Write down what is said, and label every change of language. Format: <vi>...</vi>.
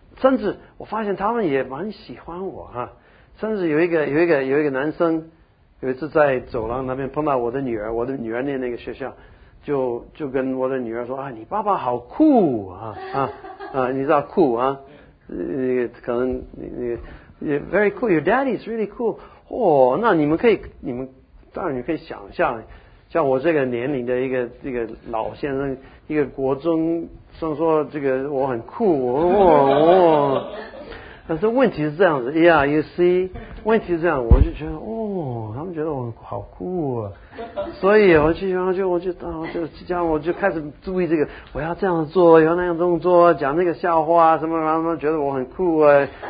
<zh>甚至我发现他们也蛮喜欢我哈。甚至有一个男生，有一次在走廊那边碰到我的女儿，我的女儿念那个学校，就跟我的女儿说啊、哎，你爸爸好酷啊啊啊，你知道酷啊？可能你</zh> <en>very cool, your daddy is really cool.</en> <zh>哦，那你们当然你可以想象，像我这个年龄的一个老先生，一个国中生说这个我很酷哦哦。但是问题是这样子 ，</zh> <en>Yeah, you see，</en> <zh>问题是这样，我就觉得哦，他们觉得我好酷啊，所以我就开始注意这个，我要这样做，要那样动作，讲那个笑话什么，然后他们觉得我很酷啊。</zh>